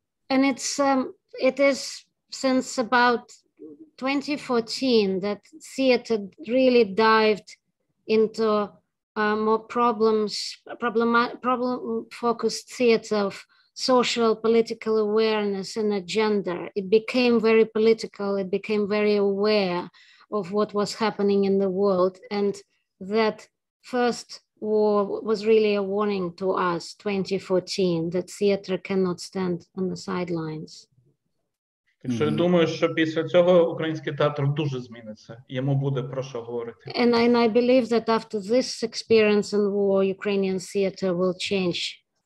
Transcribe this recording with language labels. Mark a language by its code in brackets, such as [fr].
[en] And it's it is since about 2014 that theater really dived into more problem-focused theater of social, political awareness and agenda. It became very political. It became very aware of what was happening in the world. And that first war was really a warning to us, 2014, that theater cannot stand on the sidelines. Mm-hmm. [uk] Що я думаю, що після цього український театр дуже зміниться. Йому буде про що говорити. [en] And I believe that after this experience in war, Ukrainian theater will change.